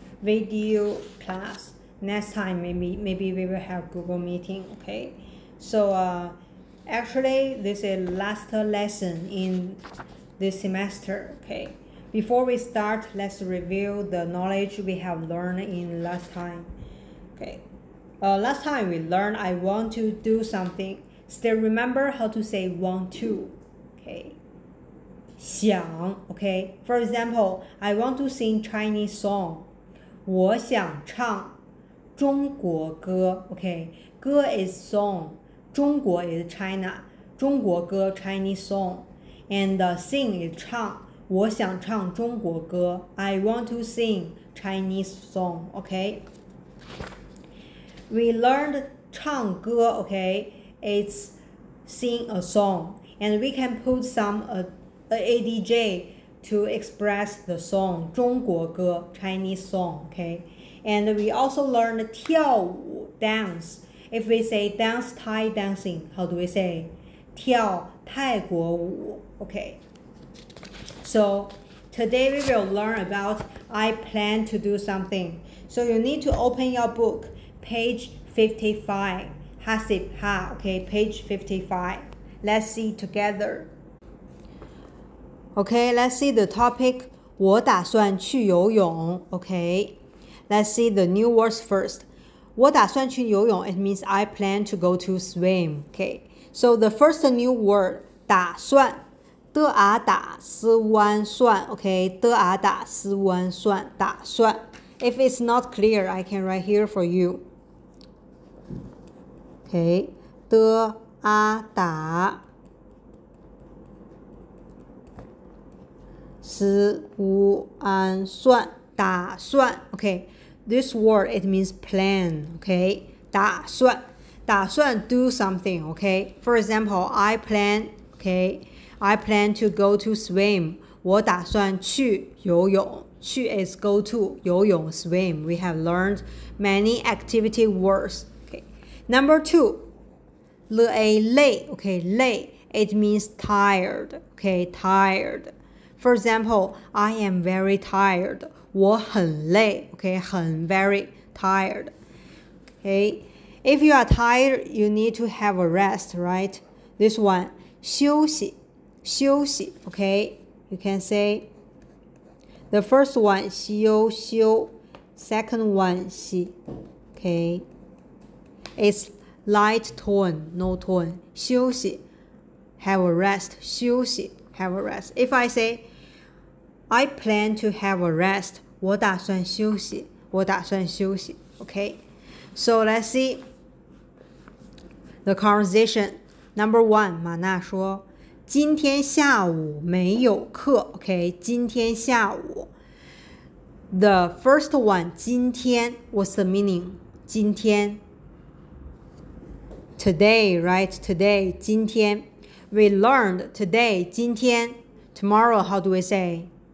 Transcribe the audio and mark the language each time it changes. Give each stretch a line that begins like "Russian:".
English: video class next time maybe we will have Google meeting okay so actually this is last lesson in this semester okay before we start let's review the knowledge we have learned in last time okay last time we learned I want to do somethingStill remember how to say want to, okay. 想, okay. For example, I want to sing Chinese song.
Chinese: 我想唱中国歌, okay.
English: 歌 is song. 中国 is China. 中国歌 Chinese song. And sing is 唱.
Chinese: 我想唱中国歌.
English: I want to sing Chinese song, okay. We learned 唱歌, okay. It's sing a song, and we can put some ADJ to express the song, 中国歌 Chinese song, okay? And we also learned 跳舞 dance. If we say dance Thai dancing, how do we say?
Chinese: 跳泰国舞
English: okay? So today we will learn about I plan to do something. So you need to open your book, page 55.
Thai: Hasip Ha,
English: okay, page 55. Let's see together. Okay, let's see the topic.
Chinese: 我打算去游泳, okay.
English: Let's see the new words first.
Chinese: 我打算去游泳,
English: it means I plan to go to swim, okay. So the first new word, 打算, 的啊打思弯算, okay. 的啊打思弯算, 打算. If it's not clear, I can write here for you. Okay, 的啊打思无安算打算 Okay, this word, it means plan, okay? 打算打算 do something, okay? For example, I plan, okay? I plan to go to swim.
Chinese: 我打算去游泳去
English: is go to,
Chinese: 游泳 swim.
English: We have learned many activity words. Number two, le a lay, okay, lay, it means tired, okay, tired. For example, I am very tired,
Chinese: 我很累
English: okay, 很 very tired, okay. If you are tired, you need to have a rest, right? This one, 休息休息 okay, you can say. The first one, 休休 second one, 息 okay. It's light tone, no tone. 休息 have a rest. 休息 have a rest. If I say, I plan to have a rest.
Chinese: 我打算休息我打算休息 Okay.
English: So let's see the conversation.
Chinese: Number one, 马娜说今天下午没有课 Okay.
English: 今天下午 The first one, 今天 What's the meaning? 今天Today, right? Today, 今天 We learned today, 今天 Tomorrow, how do we say?